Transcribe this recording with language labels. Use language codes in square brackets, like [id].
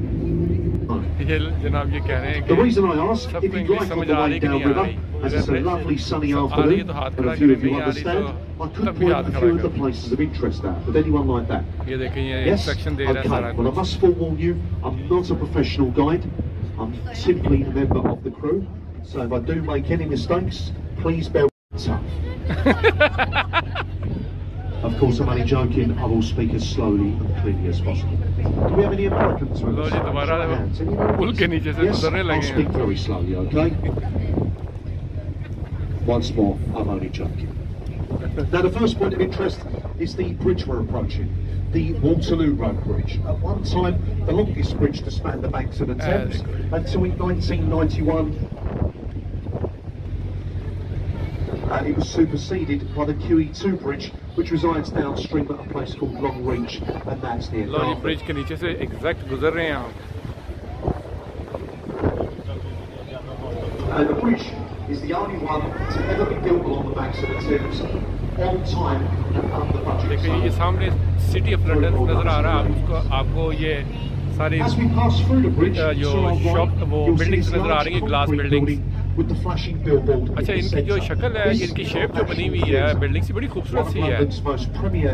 [hi] जनाब ये कह रहे हैं कि समझ आ रही कि नहीं आ रही, आ रही है तो हाथ खड़ा करें, नहीं आ रही तो तब भी हाथ खड़ा करें। ये देखें ये इंस्ट्रक्शन दे रहा है सारा कुछ। [en] I'm simply a member of the crew, so if I do make any mistakes, please bear with me. Of course, I'm only joking. I will speak as slowly and clearly as possible. Do we have any Americans with us? I'll speak very slowly, okay? Once more, I'm only joking. Now, the first point of interest is the bridge we're approaching. The Waterloo Road Bridge, at one time the longest bridge to span the banks of the Thames, until in 1991. And it was superseded by the QE2 Bridge, which resides downstream at a place called Long Reach, and that's near Dartford. [hi] Long Bridge ke niche se exact guzar rahe hain. [en] And the bridge is the only one to ever be built along the banks of the Thames. [hi] देखिए ये सामने city of London नज़र आ रहा है आपको, आपको ये सारी जो शॉप वो बिल्डिंग्स नज़र आ रही है, ग्लास बिल्डिंग। अच्छा इनकी जो शक्ल है, इनकी शेप जो बनी हुई है बिल्डिंग से, बड़ी खूबसूरत सी है।